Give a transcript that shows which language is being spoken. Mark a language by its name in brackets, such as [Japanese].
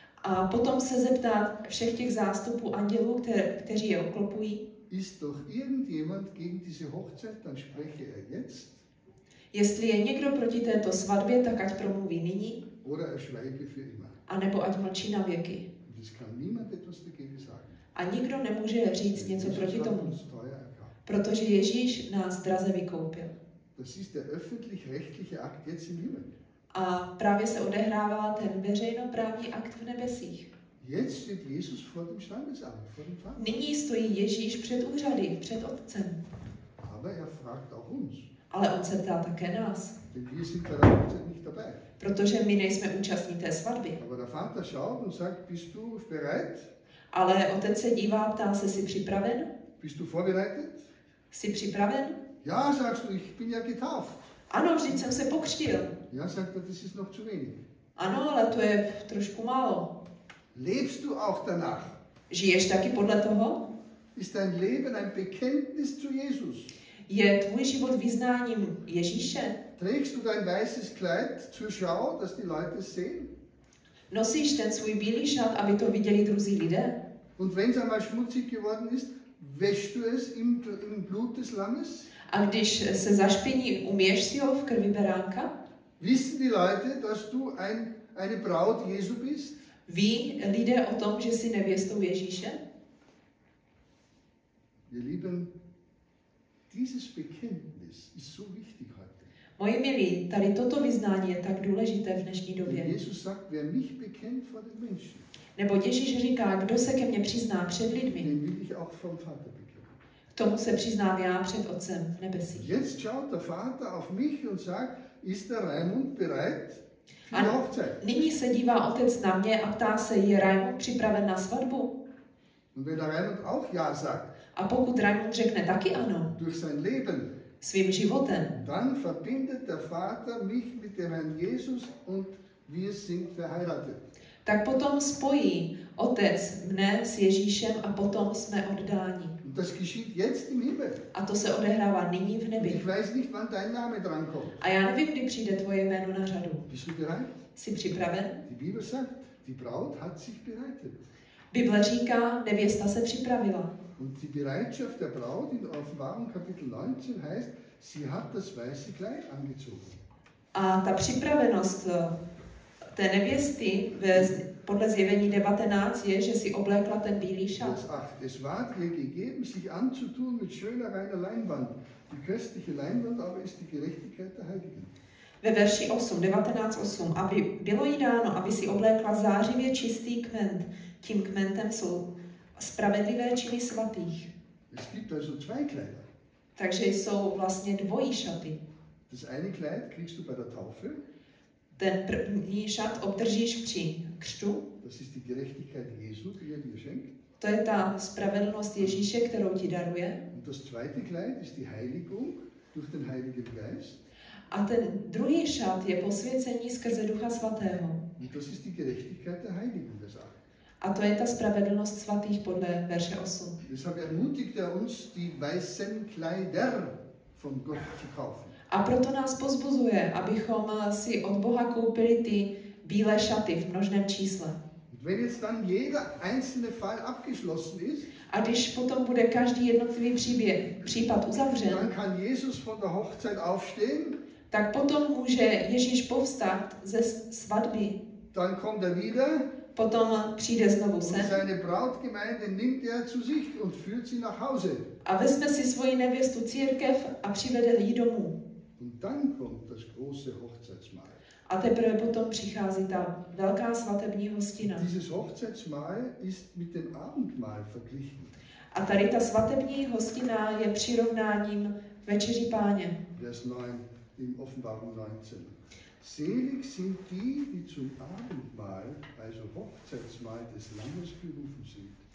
[Czech] A potom se zeptá všech těch zástupů andělů, kteří je oklopují. [German] Ist doch irgendjemand gegen diese Hochzeit, dann spreche er jetzt. [Czech] Jestli je někdo proti této svatbě, tak ať promluví nyní. [German] Oder er schweige für immer. [Czech] A nebo ať mlčí na věky. [German] Das kann niemand etwas dagegen sagen. [Czech] A nikdo nemůže říct něco proti tomu. Protože Ježíš nás draze vykoupil. [German] Das ist der öffentlich-rechtliche Akt jetzt im Himmel. [Czech] A právě se odehrává ten veřejnoprávní akt v nebesích. [German] Jetzt steht Jesus vor dem Standesamt, vor dem Vater. [Czech] Nyní stojí Ježíš před úřady, před Otcem. [German] Aber er fragt auch uns. [Czech] Ale on se ptá také nás. [German] Denn wir sind bei der Hochzeit nicht dabei. [Czech] Protože my nejsme účastní té svatby. [German] Aber der Vater schaut und sagt, bist du bereit? [Czech] Ale Otec se dívá, ptá se, jsi připraven? [German] Bist du vorbereitet? [Czech] Jsi připraven? [German] Ja, sagst du, ich bin ja getauft. [Czech] Ano, vždyť jsem se pokřtil. [German] Ja sag, das ist noch zu wenig. [Czech] Ano, ale to je trošku málo. [German] Lebst du auch danach? [Czech] Žiješ taky podle toho? [German] Ist dein Leben ein Bekenntnis zu Jesus? [Czech] Je tvůj život vyznáním Ježíše? [German] Trägst du dein weißes Kleid zur Schau, dass die Leute sehen? [Czech] Nosíš ten svůj bílý šat, aby to viděli druzí lidé? [German] Und wenn's einmal schmutzig geworden ist, wäschst du es im Blut des Lammes? [Czech] A když se zašpiní, umyješ si ho v krvi beránka? [German] Wissen die Leute, dass du eine Braut Jesu bist? [Czech] Ví lidé o tom, že jsi nevěstou Ježíše? [German] Ihr Lieben, dieses Bekenntnis ist so wichtig heute. [Czech] Moje milí, tady toto vyznání je tak důležité v dnešní době. [German] Jesus sagt, wer mich bekennt vor den Menschen. [Czech] Nebo Ježíš říká, kdo se ke mně přizná před lidmi. [German] Den will ich auch vom Vater bekennen. [Czech] K tomu se přiznám já před Otcem v nebesích. [German] Jetzt schaut der Vater auf mich und sagt, ist der Raimund bereit für die Hochzeit? [Czech] Nyní se dívá Otec na mě a ptá se, je Raimund připraven na svatbu? [German] Und wenn der Raimund auch ja sagt, [Czech] a pokud Raimund řekne taky ano, [German] durch sein Leben, [Czech] svým životem, [German] dann verbindet der Vater mich mit dem Herrn Jesus und wir sind verheiratet. [Czech] Tak potom spojí Otec mne s Ježíšem a potom jsme oddáni. [German] Das geschieht jetzt im Himmel. [Czech] A to se odehrává nyní v nebi. [German] Ich weiß nicht, wann dein Name dran kommt. [Czech] A já nevím, kdy přijde tvoje jméno na řadu. [German] Bist du bereit? [Czech] Jsi připraven? [German] Die Bibel sagt, die Braut hat sich bereitet. [Czech] Bible říká, nevěsta se připravila. [German] Und die Bereitschaft der Braut in Offenbarung Kapitel 19 heißt, sie hat das weiße Kleid angezogen. [Czech] A ta připravenost té nevěsty podle Zjevení 19 je, že si oblékla ten bílý šat. [German] Es war ihr gegeben, sich anzutun mit schöner reiner Leinwand. Die köstliche Leinwand aber ist die Gerechtigkeit der Heiligen. [Czech] Ve verši 19:8, aby bylo jí dáno, aby si oblékla zářivě čistý kment. Tím kmentem jsou spravedlivé činy svatých. [German] Es gibt also zwei Kleider. [Czech] Takže jsou vlastně dvojí šaty. [German] Das eine Kleid kriegst du bei der Taufe. [Czech] Ten první šat obdržíš při křtu. [German] Das ist die Gerechtigkeit Jesu, die er dir schenkt. [Czech] To je ta spravedlnost Ježíše, kterou ti daruje. [German] Und das zweite Kleid ist die Heiligung durch den Heiligen Geist. [Czech] A ten druhý šat je posvěcení skrze Ducha Svatého. [German] Und das ist die Gerechtigkeit der Heiligen, das auch. [Czech] A to je ta spravedlnost svatých podle verše 8. [German] Deshalb ermutigt er uns, die weißen Kleider von Gott zu kaufen. [Czech] A proto nás pozbuzuje, abychom si od Boha koupili ty bílé šaty v množném čísle. [German] Wenn jetzt dann jeder einzelne Fall abgeschlossen ist, [Czech] a když potom bude každý jednotlivý případ uzavřen, [German] dann kann Jesus von der Hochzeit aufstehen, [Czech] tak potom může Ježíš povstat ze svatby. [German] Dann kommt er wieder, [Czech] potom přijde znovu sem. [German] Und seine Brautgemeinde nimmt er zu sich und führt sie nach Hause. [Czech] A vezme si svoji nevěstu církev a přivede ji domů. [German] Und dann kommt das große Hochzeitsmahl. [Czech] A teprve potom přichází ta velká svatební hostina. [German] Dieses Hochzeitsmahl ist mit dem Abendmahl verglichen. [Czech] A tady ta svatební hostina je přirovnáním večeří Páně. [German] Vers 9 im Offenbarung 19. Selig sind die, die zum Abendmahl, also Hochzeitsmahl des Lammes berufen sind.